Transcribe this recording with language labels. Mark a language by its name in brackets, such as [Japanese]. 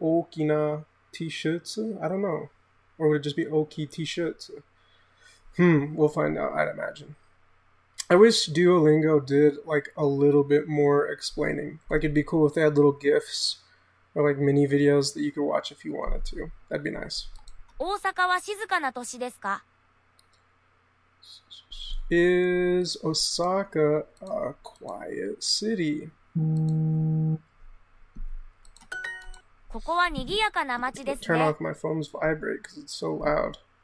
[English] Okina T-shirtsu? I don't know. Or would it just be Oki T-shirtsu? We'll find out, I'd imagine. I wish Duolingo did like a little bit more explaining. Like it'd be cool if they had little GIFs or like mini videos that you could watch if you wanted to. That'd be nice. [Japanese] 大阪は静かな都市ですか? [English] Is Osaka a quiet city? Turn [Japanese] ここは賑やかな街ですね。 [English] off my phone's vibrate because it's so loud.